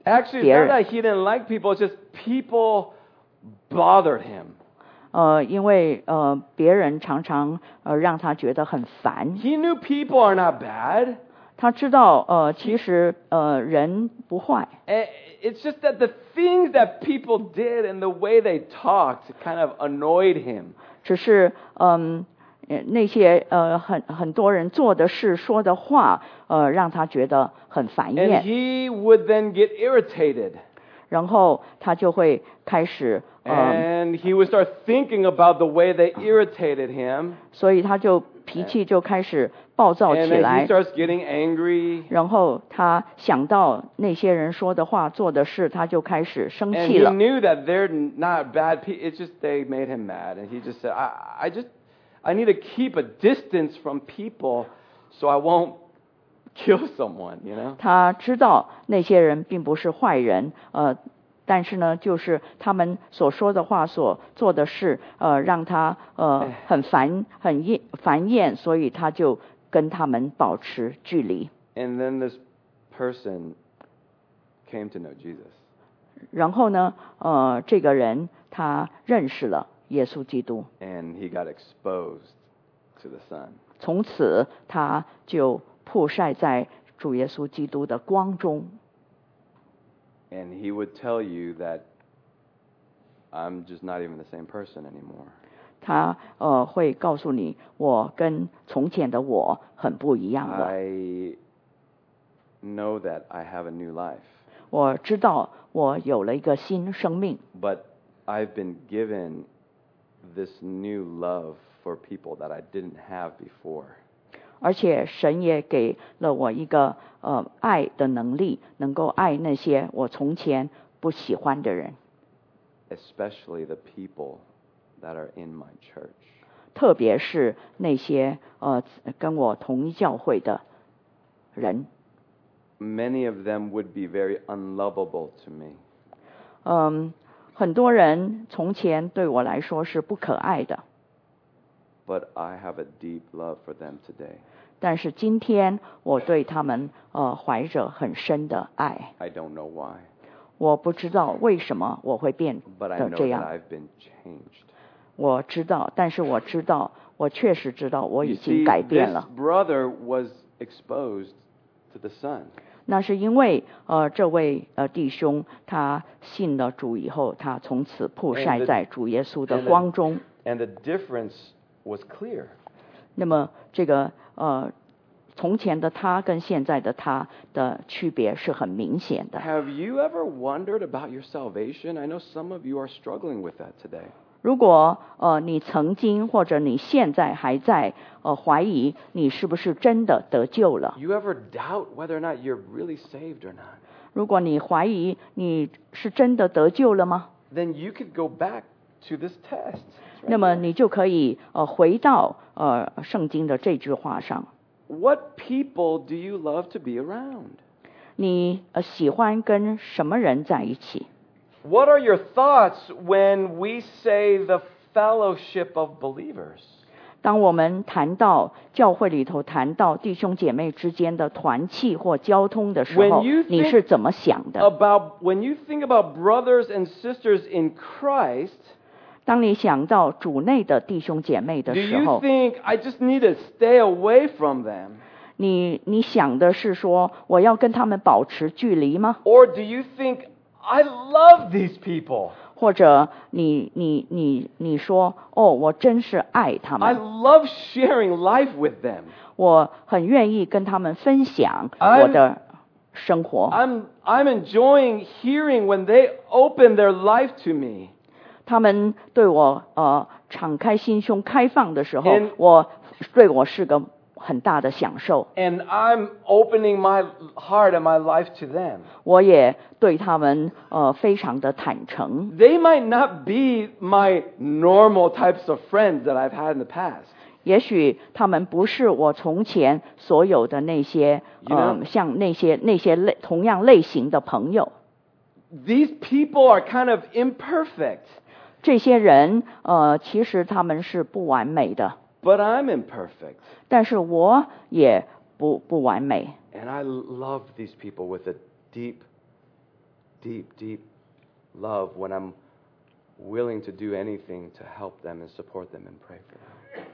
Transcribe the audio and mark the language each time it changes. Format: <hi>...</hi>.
<en>Actually, not that he didn't like people, just people bothered him.</en> <zh>因为别人常常让他觉得很烦。</zh> <en>He knew people are not bad.</en> <zh>他知道其实人不坏。</zh> <en>It's just that the things that people did and the way they talked kind of annoyed him.</en> <zh>只是那些很多人做的事说的话让他觉得很烦厌。</zh> <en>And he would then get irritated.</en> <zh>然后他就会开始</zh> <en>And he would start thinking about the way they irritated him.</en> <zh>所以他就脾气就开始暴躁起来。</zh> <en>And then he starts getting angry.</en> <zh>然后他想到那些人说的话、做的事，他就开始生气了。</zh> <en>And he knew that they're not bad people. It's just they made him mad. And he just said, I need to keep a distance from people so I won't kill someone, you know?</en> <zh>他知道那些人并不是坏人，但是呢，就是他们所说的话、所做的事，让他很烦、很烦厌，所以他就跟他们保持距离。</zh> <en>And then this person came to know Jesus.</en> <zh>然后呢，这个人他认识了耶稣基督。</zh> <en>And he got exposed to the Son.</en> <zh>从此他就曝晒在主耶稣基督的光中。</zh> <en>And he would tell you that I'm just not even the same person anymore.</en> <zh>他会告诉你，我跟从前的我很不一样了。</zh> <en>I know that I have a new life.</en> <zh>我知道我有了一个新生命。</zh> <en>But I've been given this new love for people that I didn't have before.</en> <zh>而且神也给了我一个爱的能力，能够爱那些我从前不喜欢的人。</zh> <en>Especially the people that are in my church.</en> <zh>特别是那些跟我同一教会的人。</zh> <en>Many of them would be very unlovable to me.</en> <zh>很多人从前对我来说是不可爱的。</zh> <en>But I have a deep love for them today.</en> <zh>但是今天我对他们怀着很深的爱。</zh> <en>I don't know why.</en> <zh>我不知道为什么我会变得这样。</zh> <en>But I know that I've been changed.</en> <zh>我知道，但是我知道，我确实知道我已经改变了。</zh> <en>You see, this brother was exposed to the Son.</en> <zh>那是因为这位弟兄他信了主以后，他从此曝晒在主耶稣的光中。</zh> <en>And the difference was clear.</en> <zh>那么这个从前的他跟现在的他的区别是很明显的。</zh> <en>Have you ever wondered about your salvation? I know some of you are struggling with that today.</en> <zh>如果你曾经或者你现在还在怀疑你是不是真的得救了。</zh> <en>You ever doubt whether or not you're really saved or not?</en> <zh>如果你怀疑你是真的得救了吗？</zh> <en>Then you could go back to this test.</en> <zh>那么你就可以回到圣经的这句话上。</zh> <en>What people do you love to be around?</en> <zh>你喜欢跟什么人在一起？</zh> <en>What are your thoughts when we say the fellowship of believers?</en> <zh>当我们谈到教会里头谈到弟兄姐妹之间的团契或交通的时候，你是怎么想的？</zh> <en>When you think about brothers and sisters in Christ,</en> <zh>当你想到主内的弟兄姐妹的时候，</zh> <en>Do you think I just need to stay away from them?</en> <zh>你想的是说我要跟他们保持距离吗？</zh> <en>Or do you think I love these people?</en> <zh>或者你说哦，我真是爱他们。</zh> <en>I love sharing life with them.</en> <zh>我很愿意跟他们分享我的生活。</zh> <en>I'm enjoying hearing when they open their life to me.</en> <zh>他们对我敞开心胸开放的时候 我是个很大的享受。</zh> <en>And I'm opening my heart and my life to them.</en> <zh>我也对他们非常的坦诚。</zh> <en>They might not be my normal types of friends that I've had in the past.</en> <zh>也许他们不是我从前所有的那些</zh> <en>you know,</en> <zh>像那些同样类型的朋友。</zh> <en>These people are kind of imperfect.</en> <zh>这些人其实他们是不完美的。</zh> <en>But I'm imperfect.</en> <zh>但是我也不完美。</zh> <en>And I love these people with a deep, deep, deep love when I'm willing to do anything to help them and support them and pray for them.</en>